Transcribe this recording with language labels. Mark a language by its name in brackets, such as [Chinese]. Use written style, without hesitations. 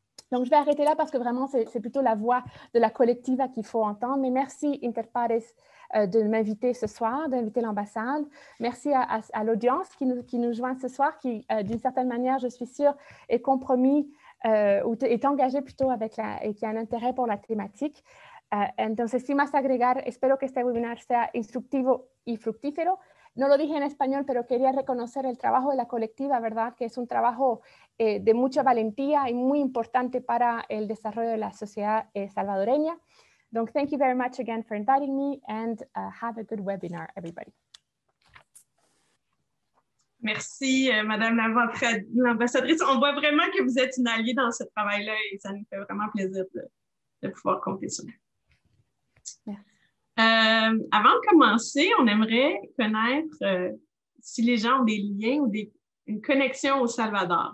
[French] Donc, je vais arrêter là parce que vraiment, c'est plutôt la voix de la collectiva qu'il faut entendre. Mais merci, Inter Pares, de m'inviter ce soir, d'inviter l'ambassade. Merci à l'audience qui nous joint ce soir, qui, d'une certaine manière, je suis sûre, est compromis est engagée plutôt avec la... et qui a un intérêt pour la thématique. [Spanish] Entonces, sin más agregar, espero que este webinar sea instructivo y fructífero. No lo dije en español, pero quería reconocer el trabajo de la colectiva, ¿verdad? Que es un trabajo de mucha valentía y muy importante para el desarrollo de la sociedad salvadoreña. [English] Donc, thank you very much again for inviting me and have a good webinar, everybody. [French] Merci, Madame l'ambassadrice. On voit vraiment que vous êtes une alliée dans ce travail-là et ça nous fait vraiment plaisir de pouvoir compter sur vous. Avant de commencer, on aimerait connaître si les gens ont des liens ou une connexion au Salvador.